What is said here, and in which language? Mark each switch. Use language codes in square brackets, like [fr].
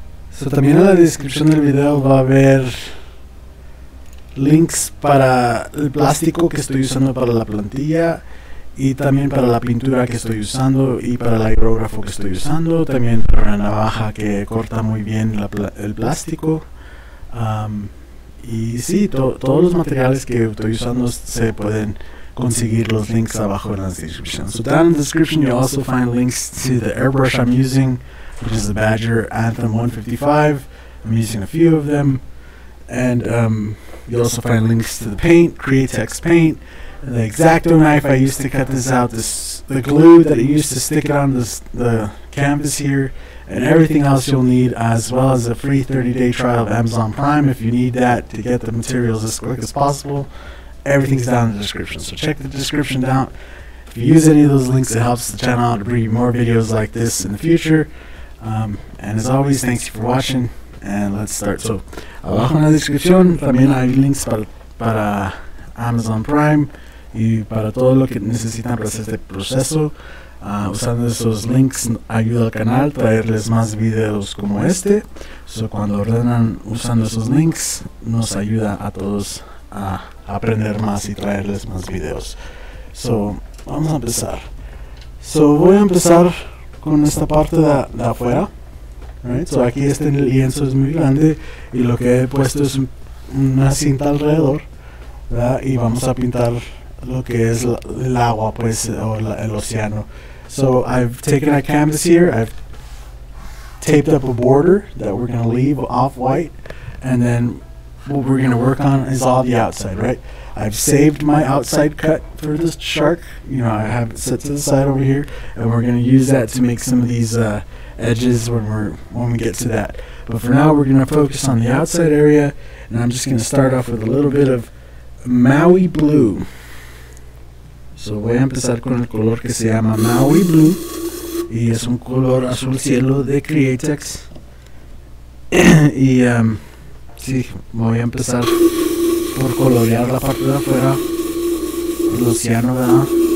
[es] So, también en la descripción del video va a haber links para el plástico que estoy usando para la plantilla y también para la pintura que estoy usando y para el aerógrafo que estoy usando, también para la navaja que corta muy bien el plástico. Y sí, todos los materiales que estoy usando se pueden conseguir los links abajo en la descripción. [en] So down in the description you also find links to the airbrush I'm using, which is the Badger Anthem 155. I'm using a few of them, and you also find links to the paint, Createx paint, the X-Acto knife I used to cut this out, the glue that I used to stick it on the canvas here, and everything else you'll need, as well as a free 30-day trial of Amazon Prime if you need that to get the materials as quick as possible. Everything's down in the description, so check the description down. If you use any of those links, it helps the channel out to bring you more videos like this in the future. And as always, thanks for watching, and let's start. [es] So, abajo en la descripción también hay links para Amazon Prime y para todo lo que necesitan para hacer este proceso. usando esos links ayuda al canal a traerles más videos como este. So cuando ordenan usando esos links nos ayuda a todos a aprender más y traerles más videos. So vamos a empezar. So voy a empezar con esta parte de afuera. [en] Right? [es] So aquí este lienzo es muy grande y lo que he puesto es una cinta alrededor, ¿verdad? Y vamos a pintar lo que es el agua, pues, o el océano. [en] So I've taken a canvas here, I've taped up a border that we're going to leave off white, and then what we're going to work on is all the outside, right? I've saved my outside cut for this shark, you know, I have it set to the side over here, and we're going to use that to make some of these edges when we get to that. But for now, we're going to focus on the outside area, and I'm just going to start off with a little bit of Maui blue. [es] So voy a empezar con el color que se llama Maui Blue, y es un color azul cielo de Createx. Y sí, voy a empezar por colorear la parte de afuera, el océano, ¿verdad?